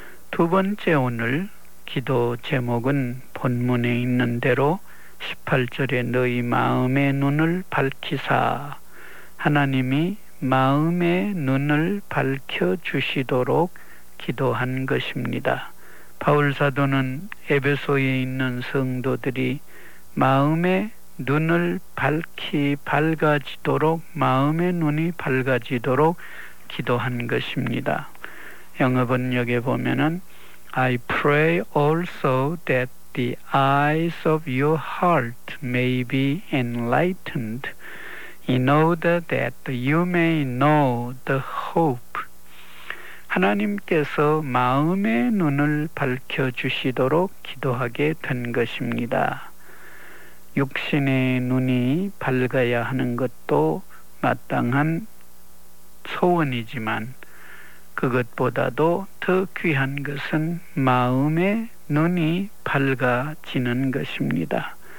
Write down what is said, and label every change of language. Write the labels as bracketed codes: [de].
[ko] 두 번째 오늘 기도 제목은 본문에 있는 대로 18절에 너희 마음의 눈을 밝히사, 하나님이 마음의 눈을 밝혀주시도록 기도한 것입니다. 바울사도는 에베소에 있는 성도들이 마음의 눈을 밝히 밝아지도록 마음의 눈이 밝아지도록 기도한 것입니다. 영어 번역에 보면은 [en] I pray also that the eyes of your heart may be enlightened in order that you may know the hope. [ko] 하나님께서 마음의 눈을 밝혀주시도록 기도하게 된 것입니다. 육신의 눈이 밝아야 하는 것도 마땅한 소원이지만 그것보다도 더 귀한 것은 마음의 눈이 밝아지는 것입니다.